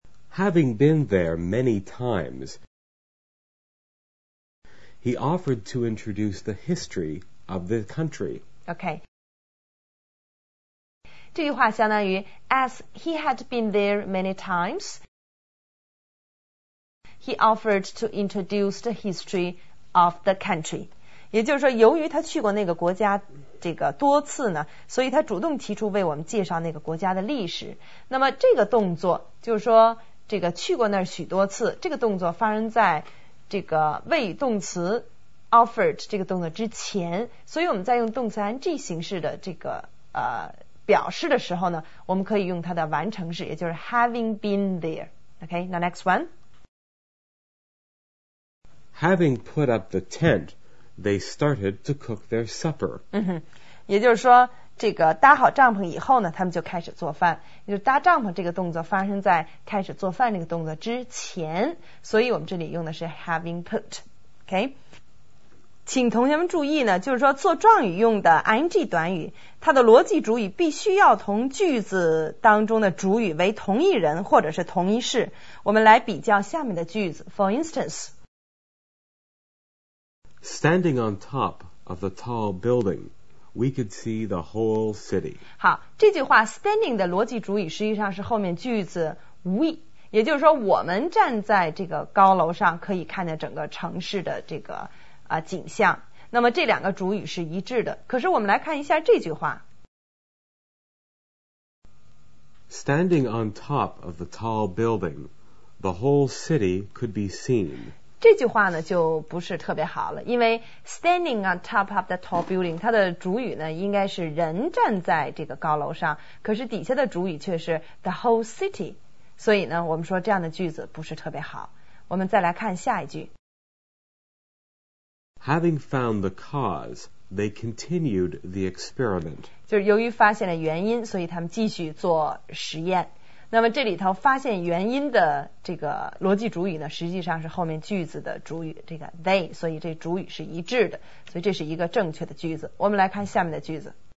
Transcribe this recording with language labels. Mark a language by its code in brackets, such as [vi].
[en] Having been there many times He offered to introduce the history of the country Okay [zh] 这句话相当于 [en] As he had been there many times, he offered to introduce the history of the country. [zh] 也就是说由于他去过那个国家这个多次呢所以他主动提出为我们介绍那个国家的历史。那么这个动作就是说这个去过那儿许多次这个动作发生在这个谓语动词 offered 这个动作之前所以我们在用动词 ing 形式的这个表示的时候呢我们可以用它的完成式也就是 [en] having been there OK, now next one Having put up the tent they started to cook their supper [zh] 也就是说这个搭好帐篷以后呢他们就开始做饭也就是搭帐篷这个动作发生在开始做饭那个动作之前所以我们这里用的是 [en] having put OK [zh] 请同学们注意呢就是说做状语用的 ing 短语它的逻辑主语必须要同句子当中的主语为同一人或者是同一事我们来比较下面的句子 [en] For instance Standing on top of the tall building We could see the whole city [zh] 好这句话 standing 的逻辑主语实际上是后面句子 we 也就是说我们站在这个高楼上可以看见整个城市的这个景象那么这两个主语是一致的可是我们来看一下这句话 [en] Standing on top of the tall building the whole city could be seen [zh] 这句话呢就不是特别好了因为 [en] Standing on top of the tall building [zh] 它的主语呢应该是人站在这个高楼上可是底下的主语却是 [en] the whole city [zh] 所以呢我们说这样的句子不是特别好我们再来看下一句 [en] Having found the cause, they continued the experiment. [zh] 就是由于发现了原因，所以他们继续做实验。那么这里头发现原因的这个逻辑主语呢，实际上是后面句子的主语，这个 they， 所以这主语是一致的，所以这是一个正确的句子。我们来看下面的句子。